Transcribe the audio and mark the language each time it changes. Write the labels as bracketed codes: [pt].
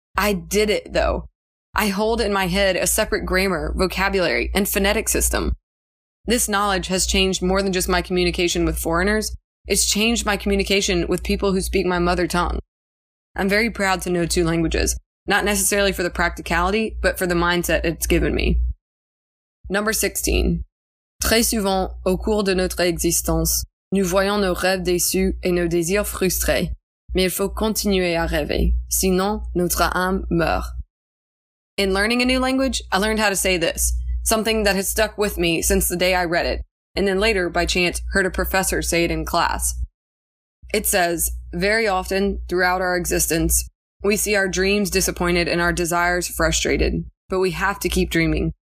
[en] I did it, though. I hold in my head a separate grammar, vocabulary, and phonetic system. This knowledge has changed more than just my communication with foreigners. It's changed my communication with people who speak my mother tongue. I'm very proud to know two languages, not necessarily for the practicality, but for the mindset it's given me. Number 16. [fr] Très souvent, au cours de notre existence, nous voyons nos rêves déçus et nos désirs frustrés. Mais il faut continuer à rêver, sinon notre âme meurt. [en] In learning a new language, I learned how to say this, something that has stuck with me since the day I read it, and then later, by chance, heard a professor say it in class. It says, very often, throughout our existence, we see our dreams disappointed and our desires frustrated, but we have to keep dreaming.